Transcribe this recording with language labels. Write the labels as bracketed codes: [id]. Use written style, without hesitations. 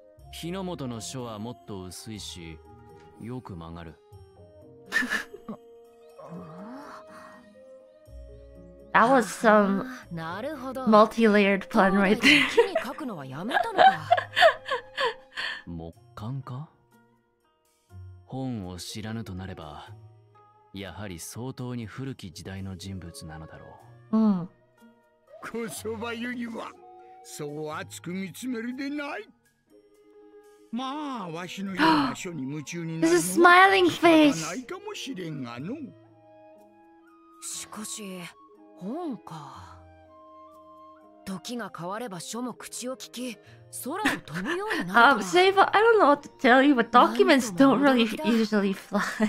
[ja] 日の元の書はもっと薄いし、よく曲がる。 [en] That was some multi-layered plan right there. [ja] 木に書くのはやめたのか。木簡か？本を知らぬとなれば、やはり相当に古き時代の人物なのだろう。こそばゆいは、そう熱く見つめるでない。まあ、わしのような書に夢中になるのは、仕方ないかもしれんがの。しかし、本か。時が変われば書も口を聞き、 [en] Save, I don't know what to tell you, but documents don't really usually fly.